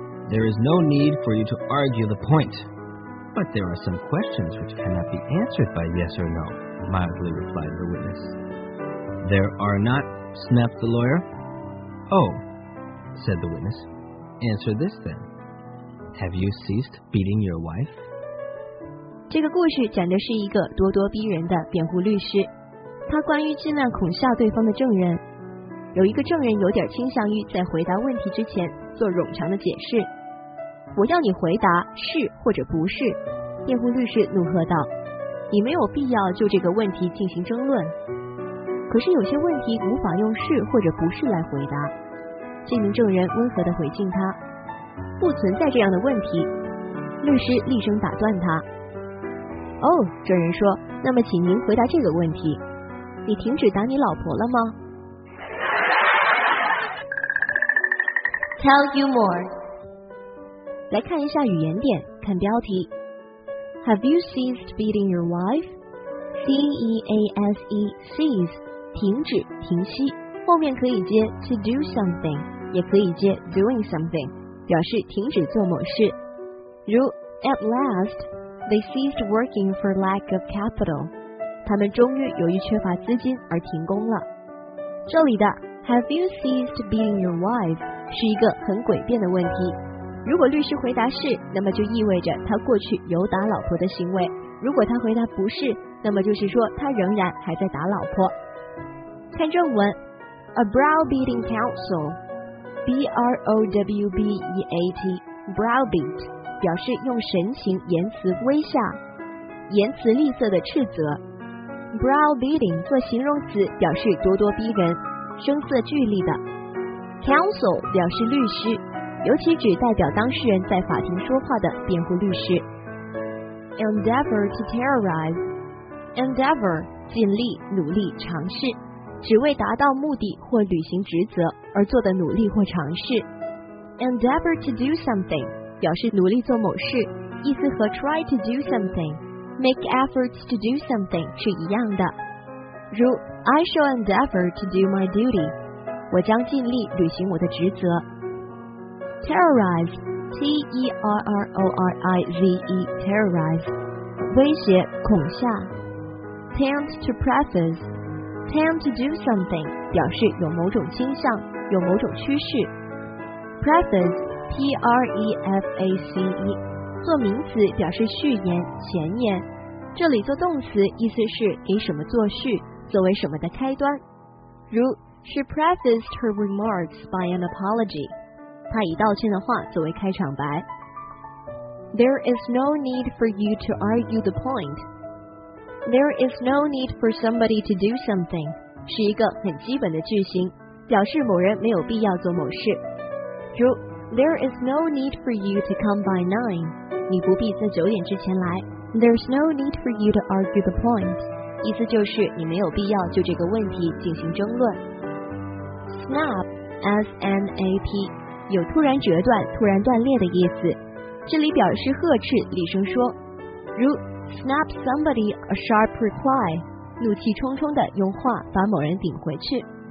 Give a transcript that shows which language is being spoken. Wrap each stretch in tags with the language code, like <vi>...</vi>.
<en>There is no need for you to argue the point. But there are some questions which cannot be answered by yes or no. Mildly replied the witness. There are not, snapped the lawyer. Oh, said the witness. Answer this then. Have you ceased beating your wife?</en> <zh>这个故事讲的是一个咄咄逼人的辩护律师，他关于尽量恐吓对方的证人。有一个证人有点倾向于在回答问题之前做冗长的解释。我要你回答是或者不是，辩护律师怒喝道。你没有必要就这个问题进行争论。可是有些问题无法用是或者不是来回答。这名证人温和地回敬他，不存在这样的问题。律师厉声打断他。哦，证人说，那么请您回答这个问题。你停止打你老婆了吗？</zh> <en>Tell you more.</en> <zh>来看一下语言点，看标题。</zh> <en>Have you ceased beating your wife?</en> <zh>C-E-A-S-E, cease, 停止、停息。后面可以接</zh> <en>to do something,</en> <zh>也可以接</zh> <en>doing something,</en> <zh>表示停止做某事。</zh> <en>如 at last, they ceased working for lack of capital.</en> <zh>他们终于由于缺乏资金而停工了。这里的</zh> <en>Have you ceased beating your wife?</en> <zh>是一个很诡辩的问题。如果律师回答是，那么就意味着他过去有打老婆的行为。如果他回答不是，那么就是说他仍然还在打老婆。看正文 ，</zh> <en>a browbeating counsel，</en> <zh>b r o w b e a t， browbeat 表示用神情、言辞威吓、言辞厉色的斥责。 browbeating 做形容词表示咄咄逼人、声色俱厉的。 counsel 表示律师。尤其指代表当事人在法庭说话的辩护律师。</zh> <en>Endeavor to terrorize.</en> <zh>Endeavor, 尽力、努力、尝试，只为达到目的或履行职责而做的努力或尝试。</zh> <en>Endeavor to do something,</en> <zh>表示努力做某事，意思和</zh> <en>try to do something, make efforts to do something</en> <zh>是一样的。如</zh> <en>I shall endeavor to do my duty,</en> <zh>我将尽力履行我的职责。 Terrorize, T-E-R-R-O-R-I-Z-E, terrorize, 威胁、恐吓。</zh> <en>Tend to preface, tend to do something,</en> <zh>表示有某种倾向、有某种趋势。 Preface, P-R-E-F-A-C-E, 做名词表示序言、前言。这里做动词意思是给什么做序，作为什么的开端。</zh> <en>如 She prefaced her remarks by an apology.</en> <zh>他以道歉的话作为开场白。</zh> <en>There is no need for you to argue the point. There is no need for somebody to do something</en> <zh>是一个很基本的句型，表示某人没有必要做某事。</zh> <en>如 There is no need for you to come by nine.</en> <zh>你不必在九点之前来。</zh> <en>There's no need for you to argue the point.</en> <zh>意思就是你没有必要就这个问题进行争论。</zh> <en>Snap, S-N-A-P.</en> <zh>有突然折断、突然断裂的意思，这里表示呵斥、厉声说，如</zh> <en>snap somebody a sharp reply，</en> <zh>怒气冲冲的用话把某人顶回去。</zh>